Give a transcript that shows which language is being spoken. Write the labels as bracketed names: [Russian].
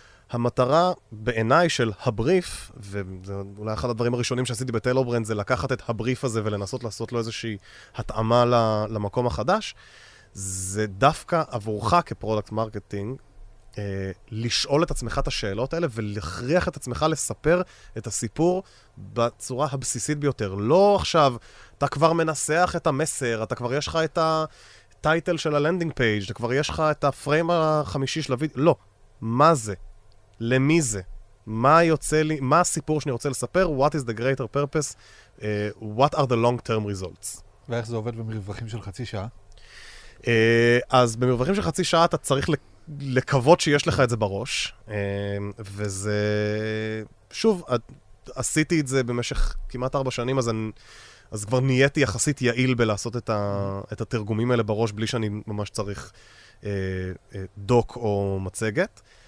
[Hebrew] המטרה בעיניי של הבריף, ואולי אחד הדברים הראשונים שעשיתי בטיילור ברנדס, זה לקחת את הבריף הזה ולנסות לעשות לו איזושהי התאמה למקום החדש, זה דווקא עבורך כפרודקט מרקטינג, לשאול את עצמך את השאלות האלה ולהכריח את עצמך לספר את הסיפור בצורה הבסיסית ביותר. לא עכשיו, אתה כבר מנסח את המסר, אתה כבר יש לך את הטייטל של הלנדינג פייג', אתה כבר יש לך את הפריים החמישי של הוידאו, לא. מה זה? למי זה? מה יוצא לי, מה הסיפור שאני רוצה לספר? [English] What is the greater purpose? What are the long-term results? [Hebrew] ואיך זה עובד במרווחים של חצי שעה? אז במרווחים של חצי שעה אתה צריך לקוות שיש לך את זה בראש, וזה... שוב, עשיתי את זה במשך כמעט 4 שנים, אז כבר נהייתי יחסית יעיל בלעשות את התרגומים האלה בראש, בלי שאני ממש צריך דוק או מצגת.